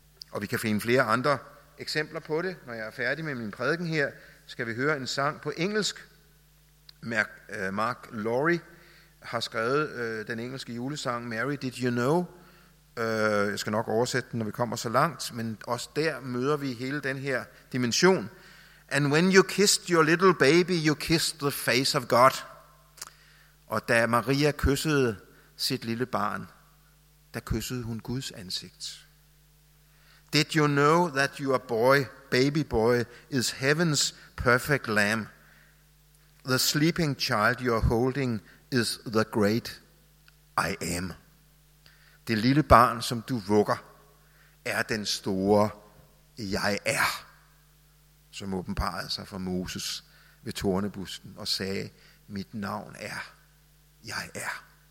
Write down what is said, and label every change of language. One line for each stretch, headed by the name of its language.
Danish: Og vi kan finde flere andre eksempler på det. Når jeg er færdig med min prædiken her, skal vi høre en sang på engelsk. Mark Laurie har skrevet den engelske julesang Mary, Did You Know? Jeg skal nok oversætte den, når vi kommer så langt, men også der møder vi hele den her dimension.
English: And when you kissed your little baby, you kissed the face of God.
Danish: Og da Maria kyssede sit lille barn, der kyssede hun Guds ansigt.
English: Did you know that your boy, baby boy, is heaven's perfect lamb? The sleeping child you're holding is the great I am.
Danish: Det lille barn, som du vugger, er den store jeg er, som åbenbarede sig for Moses ved tornebusken og sagde, mit navn er, jeg er.